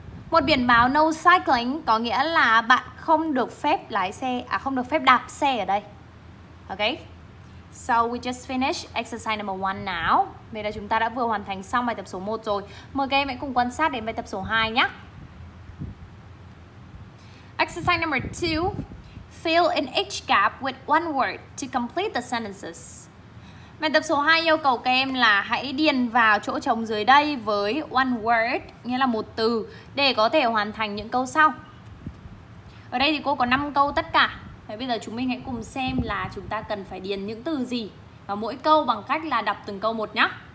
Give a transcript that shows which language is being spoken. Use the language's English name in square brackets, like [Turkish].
[Vietnamese] Một biển báo no cycling có nghĩa là bạn không được phép lái xe, à không được phép đạp xe ở đây. Okay? [English] So we just finished exercise number 1 now. [Vietnamese] Vậy là chúng ta đã vừa hoàn thành xong bài tập số 1 rồi. Mời các em hãy cùng quan sát đến bài tập số 2 nhé. [English] Exercise number 2. Fill in each gap with one word to complete the sentences. [Vietnamese] Bài tập số 2 yêu cầu các em là hãy điền vào chỗ trống dưới đây với [English] one word, [Vietnamese] nghĩa là một từ, để có thể hoàn thành những câu sau. Ở đây thì cô có 5 câu tất cả. Thế bây giờ chúng mình hãy cùng xem là chúng ta cần phải điền những từ gì vào mỗi câu bằng cách là đọc từng câu một nhé.